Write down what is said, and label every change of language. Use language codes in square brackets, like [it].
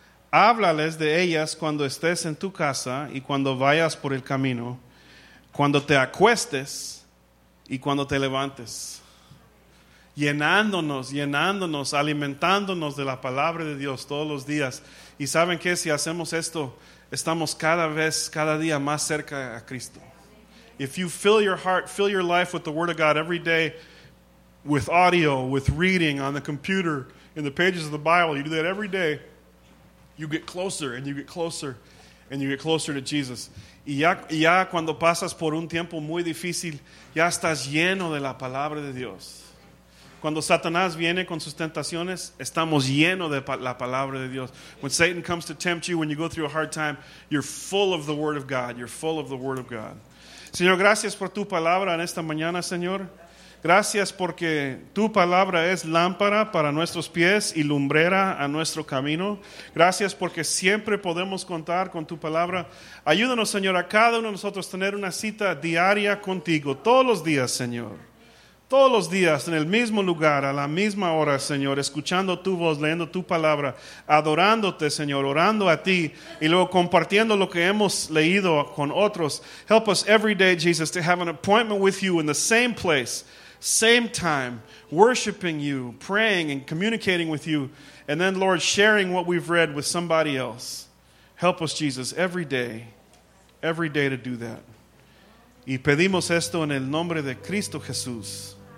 [es] Háblales de ellas cuando estés en tu casa y cuando vayas por el camino, cuando te acuestes y cuando te levantes. Llenándonos, alimentándonos de la palabra de Dios todos los días. Y saben que si hacemos esto, estamos cada día más cerca a Cristo. [en] If you fill your heart, fill your life with the Word of God every day, with audio, with reading on the computer, in the pages of the Bible, you do that every day, you get closer and you get closer and you get closer to Jesus. [es] Y ya cuando pasas por un tiempo muy difícil, ya estás lleno de la palabra de Dios. Cuando Satanás viene con sus tentaciones, estamos llenos de la palabra de Dios. [en] When Satan comes to tempt you, when you go through a hard time, you're full of the Word of God. You're full of the Word of God. [es] Señor, gracias por tu palabra en esta mañana, Señor. Gracias porque tu palabra es lámpara para nuestros pies y lumbrera a nuestro camino. Gracias porque siempre podemos contar con tu palabra. Ayúdanos, Señor, a cada uno de nosotros a tener una cita diaria contigo, todos los días, Señor. todos los días en el mismo lugar, a la misma hora, Señor, escuchando tu voz, leyendo tu palabra, adorándote, Señor, orando a ti, y luego compartiendo lo que hemos leído con otros. [en] Help us every day, Jesus, to have an appointment with you in the same place, same time, worshiping you, praying and communicating with you, and then, Lord, sharing what we've read with somebody else. Help us, Jesus, every day to do that. [es] Y pedimos esto en el nombre de Cristo Jesús.